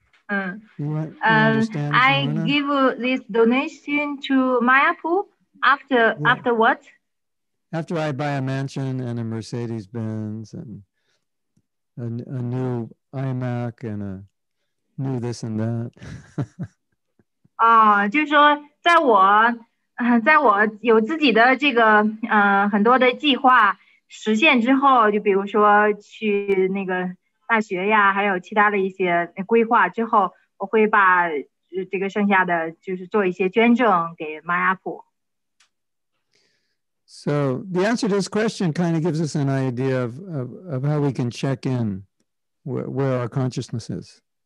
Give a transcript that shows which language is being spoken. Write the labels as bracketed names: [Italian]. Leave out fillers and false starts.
[English] I give this donation to Mayapur after what? After I buy a mansion and a Mercedes Benz and a new iMac and a new this and that. [Chinese] 就是说在我在我有自己的这个很多的计划实现之后，就比如说去那个大学呀，还有其他的一些规划之后，我会把这个剩下的就是做一些捐赠给玛雅普。 [English] So the answer to this question kind of gives us an idea of how we can check in where our consciousness is.